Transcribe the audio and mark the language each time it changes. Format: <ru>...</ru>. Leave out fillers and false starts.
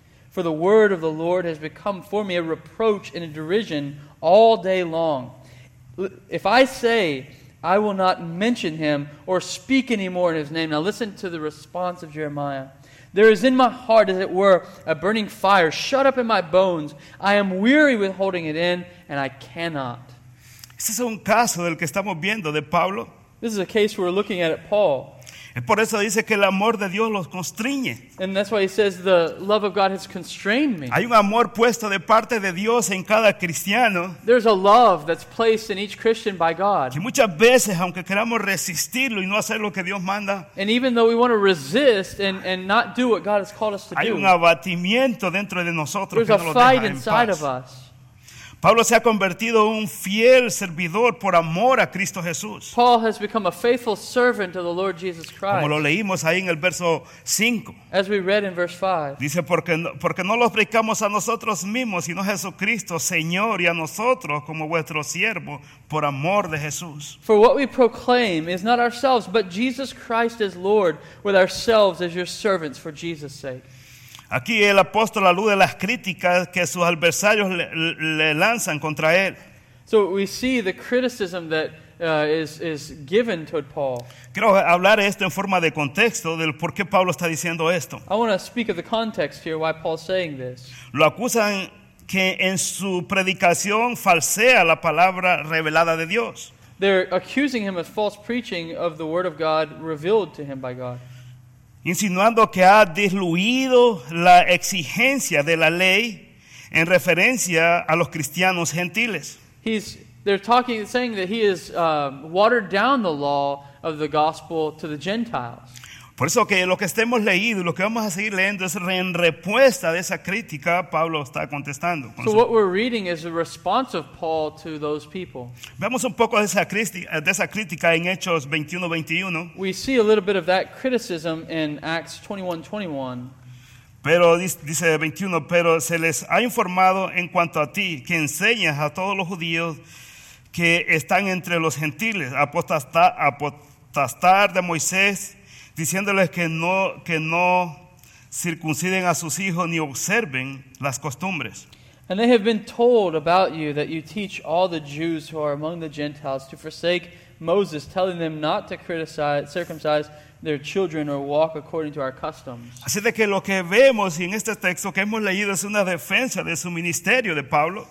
<en>For the word of the Lord has become for me a reproach and a derision all day long. If I say, I will not mention him or speak any more in his name. Now listen to the response of Jeremiah. There is in my heart, as it were, a burning fire shut up in my bones. I am weary with holding it in, and I cannot.</en> <es>Este es un caso del que estamos viendo de Pablo.</es> <en>This is a case we're looking at Paul.</en> <es>Es por eso dice que el amor de Dios los constriñe.</es> <en>And that's why he says the love of God has constrained me.</en> <es>Hay un amor puesto de parte de Dios en cada cristiano.</es> <en>There's a love that's placed in each Christian by God.</en> <es>Y muchas veces, aunque queramos resistirlo y no hacer lo que Dios manda,</es> <en>and even though we want to resist and not do what God has called us to do,</en> <es>hay un abatimiento dentro de nosotros que no lo deja en paz.</es> <en>There's a fight inside of us.</en> <es>Pablo se ha convertido en un fiel servidor por amor a Cristo Jesús.</es> <en>Paul has become a faithful servant of the Lord Jesus Christ.</en> <es>Como lo leímos ahí en el verso 5.</es> <en>As we read in verse 5.</en> <es>Dice, porque no los predicamos a nosotros mismos, sino a Jesucristo, Señor, y a nosotros como vuestro siervo, por amor de Jesús.</es> <en>For what we proclaim is not ourselves, but Jesus Christ as Lord, with ourselves as your servants for Jesus' sake.</en> <es>Aquí el apóstol alude a las críticas que sus adversarios le lanzan contra él.</es> <en>So we see the criticism that is given toward Paul.</en> <es>Quiero hablar esto en forma de contexto del por qué Pablo está diciendo esto.</es> <en>I want to speak of the context here, why Paul's saying this.</en> <es>Lo acusan que en su predicación falsea la palabra revelada de Dios.</es> <en>They're accusing him of false preaching of the word of God revealed to him by God.</en> <es>Insinuando que ha diluido la exigencia de la ley en referencia a los cristianos gentiles.</es> <en>They're saying that he has watered down the law of the gospel to the Gentiles.</en> <es>Por eso que lo que estemos leyendo y lo que vamos a seguir leyendo es en respuesta de esa crítica, Pablo está contestando.</es> <en>So what we're reading is a response of Paul to those people.</en> <es>Vemos un poco de esa crítica en Hechos 21:21.</es> <en>We see a little bit of that criticism in Acts 21:21.</en> <es>Pero dice 21, pero se les ha informado en cuanto a ti, que enseñas a todos los judíos que están entre los gentiles, apostatar de Moisés, diciéndoles que no circunciden a sus hijos ni observen las costumbres.</es> <en>And they have been told about you that you teach all the Jews who are among the Gentiles to forsake Moses, telling them not to circumcise their children or walk according to our customs.</en> <es>Así de que lo que vemos en este texto que hemos leído es una defensa de su ministerio de Pablo.</es>